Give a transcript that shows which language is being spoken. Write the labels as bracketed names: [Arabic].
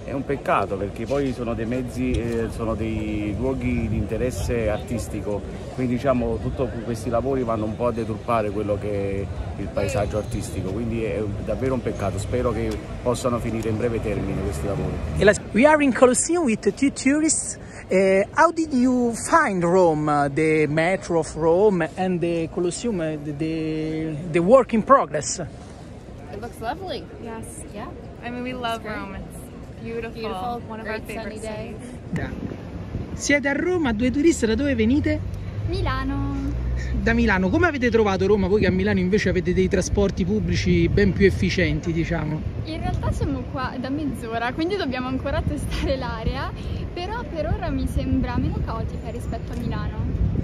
[Italian] È un peccato perché poi sono dei mezzi, sono dei luoghi di interesse artistico, quindi diciamo tutti questi lavori vanno un po' a deturpare quello che è il paesaggio artistico, quindi è davvero un peccato, spero che possano finire in breve termine questi lavori. [English] We are in Colosseum with two tourists. How did you find Rome, the metro of Rome and the Colosseum, the work in progress? It looks lovely. Yes. Yeah. I mean, we love it's Rome. It's beautiful. One of our favorite sunny days. [Italian] Siete a Roma, due turisti, da dove venite? Milano. Da Milano. Come avete trovato Roma? Voi che a Milano invece avete dei trasporti pubblici ben più efficienti, diciamo. In realtà siamo qua da mezz'ora, quindi dobbiamo ancora testare l'area, però per ora mi sembra meno caotica rispetto a Milano.